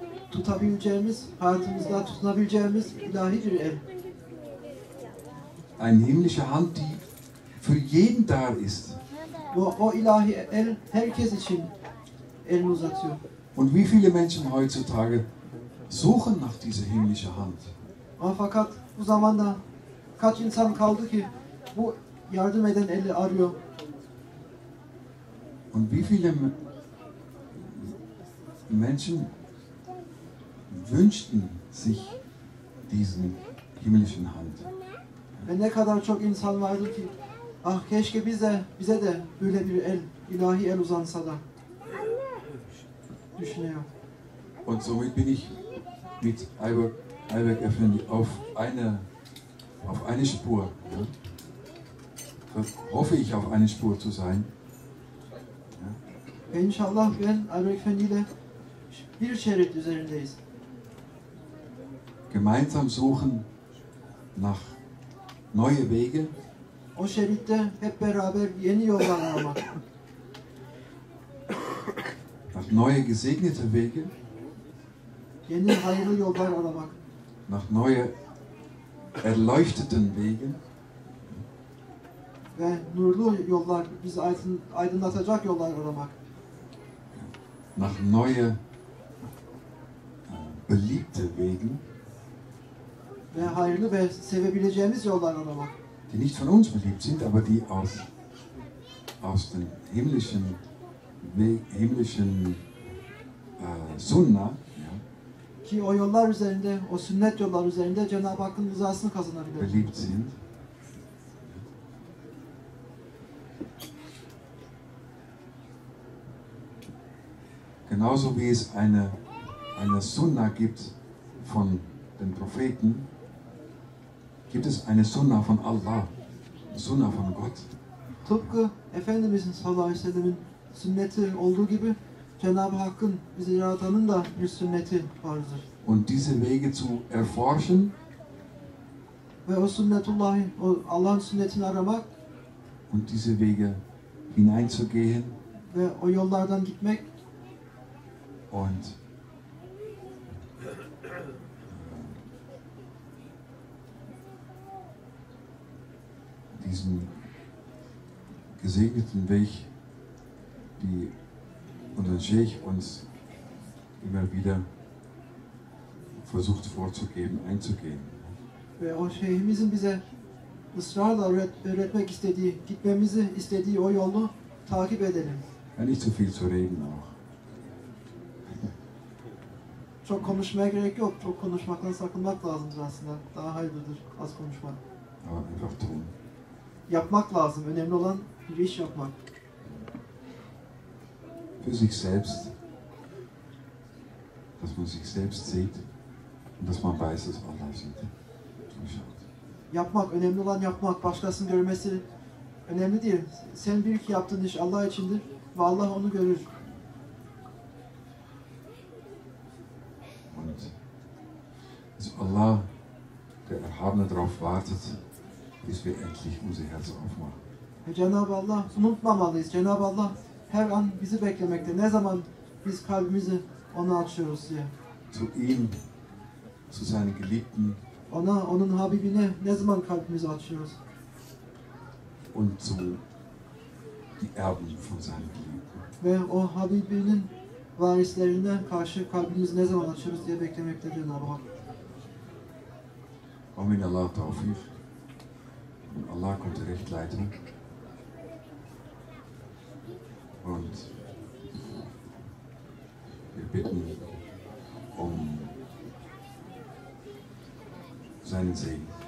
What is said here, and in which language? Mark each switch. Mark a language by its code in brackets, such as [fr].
[tr] Tutabileceğimiz, hayatımızda tutunabileceğimiz ilahi bir el. [de] Eine himmlische Hand, die für jeden da ist. [tr] O ilahi el herkes için elini uzatıyor. [de] Und wie viele Menschen heutzutage suchen nach dieser himmlischen Hand. [tr] Ama fakat bu zamanda kaç insan kaldı ki bu yardım eden eli arıyor. [de] Und wie viele Menschen wünschten sich diesen himmlischen Hand. [tr] Ve ne kadar çok insan vardı ki ah keşke bize de böyle bir el, ilahi el uzansa da. Düşünüyor. [de] Und somit bin ich mit Ayberk Efendi auf eine Spur, ja? Hoffe ich auf eine Spur zu sein. Ja? [tr] İnşallah ben Ayberk Efendi ile bir şerit üzerindeyiz. [de] Gemeinsam suchen nach neue Wege. [tr] O şeritte hep beraber yeni yollar aramak. [de] Nach neue gesegnete Wege. [tr] Yeni hayırlı yollar aramak. [de] Nach neue erleuchteten Wegen. [tr] Ve nurlu yollar, bizi aydınlatacak yollar aramak. [de] Nach neue beliebte Wegen. [tr] Ve hayırlı ve sevebileceğimiz yollar aramak. [de] Die nicht von uns beliebt sind, aber die aus den himmlischen Sunna. [tr] Ki o yollar üzerinde, o sünnet yollar üzerinde Cenab-ı Hakk'ın rızasını kazanabilir. [de] Beliebt sind. Genauso wie es eine Sunna gibt von den Propheten, gibt es eine Sunna von Allah. Sunna von Gott. [tr] Tıpkı Efendimizin sallallahu aleyhi ve sellem'in sünneti olduğu gibi Cenab-ı Hakk'ın bizi yaratanın da bir sünneti vardır. [de] Und diese Wege zu erforschen. [tr] Ve o sünnetullahi, o Allah'ın sünnetini aramak. [de] Und diese Wege hineinzugehen. [tr] Ve o yollardan gitmek. [de] Und diesen gesegneten Weg, die unser Sheikh uns immer wieder versucht vorzugeben, einzugehen. [tr] Ve o şeyhimizin bize ısrarla öğretmek istediği, gitmemizi istediği o yolu takip edelim. [de] Ja, nicht so viel zu reden auch. [tr] Çok konuşmaya gerek yok, çok konuşmaktan sakınmak lazımdır aslında. Daha hayırlıdır az konuşmak. [de] Aber einfach tun. [tr] Yapmak lazım, önemli olan bir iş yapmak. [de] Für sich selbst, dass man sich selbst sieht und dass man weiß, dass Allah sieht. [tr] Yapmak, önemli olan yapmak, başkasının görmesi önemli değil. Sen bilir ki yaptığın iş Allah içindir ve Allah onu görür. [de] Und dass Allah, der Erhabene, darauf wartet, bis wir endlich unser Herz aufmachen. [tr] Cenab-ı Allah, unutmamalıyız. Cenab-ı Allah her an bizi beklemekte. Ne zaman biz kalbimizi ona açıyoruz diye. [de] Zu ihm, zu seinen Geliebten, [tr] ona, onun Habibine ne zaman kalbimizi açıyoruz? [de] Und zu die Erben von seinen Geliebten. [tr] Ve o Habibinin varislerinden karşı kalbimizi ne zaman açıyoruz diye beklemekte Cenab-ı Hak. Ve min Allah tevfik. [de] Und Allah konnte recht leiten. Und wir bitten um seinen Segen.